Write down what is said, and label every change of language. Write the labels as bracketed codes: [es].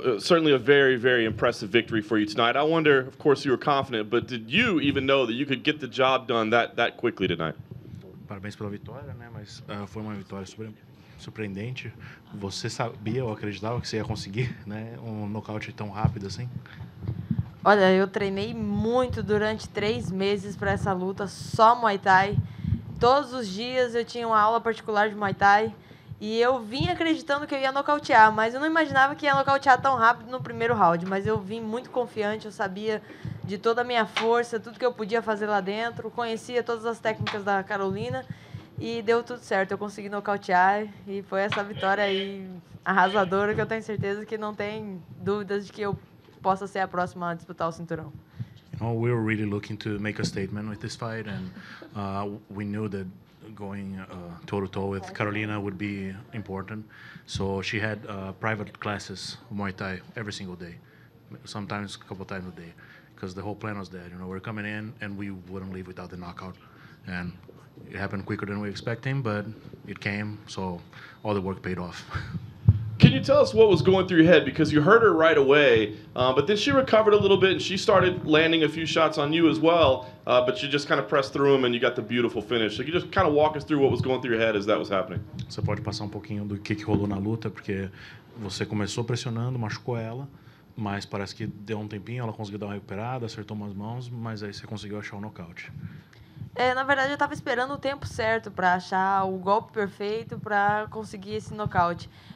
[en] Certainly a very, very impressive victory for you tonight. I wonder, of course, you were confident, but did you even know that you could get the job done that quickly tonight? [pt] Parabéns pela vitória, né? Mas foi uma vitória surpreendente. Você sabia ou acreditava que você ia conseguir, né? Nocaute tão rápido assim? Olha, eu treinei muito durante 3 meses para essa luta, só Muay Thai. Todos os dias eu tinha uma aula particular de Muay Thai. E eu vim acreditando que eu ia nocautear, mas eu não imaginava que ia nocautear tão rápido no primeiro round. Mas eu vim muito confiante, eu sabia de toda a minha força, tudo que eu podia fazer lá dentro. Conhecia todas as técnicas da Carolina e deu tudo certo. Eu consegui nocautear e foi essa vitória aí arrasadora que eu tenho certeza que não tem dúvidas de que eu possa ser a próxima a disputar o cinturão. [en] Well, we were really looking to make a statement with this fight and we knew that going toe-to-toe with Carolina would be important. So she had private classes of Muay Thai every single day, sometimes a couple times a day, because the whole plan was that, you know, we're coming in and we wouldn't leave without the knockout. And it happened quicker than we expecting, but it came, so all the work paid off. Can you tell us what was going through your head? Because you hurt her right away, but then she recovered a little bit and she started landing a few shots on you as well, but you just kind of pressed through them and you got the beautiful finish. So can you just kind of walk us through what was going through your head as that was happening? [pt] Você pode passar pouquinho do que rolou na luta, porque você começou pressionando, machucou ela, mas parece que deu tempinho, ela conseguiu dar uma recuperada, acertou umas mãos, mas aí você conseguiu achar o nocaute. Na verdade, eu estava esperando o tempo certo para achar o golpe perfeito para conseguir esse nocaute.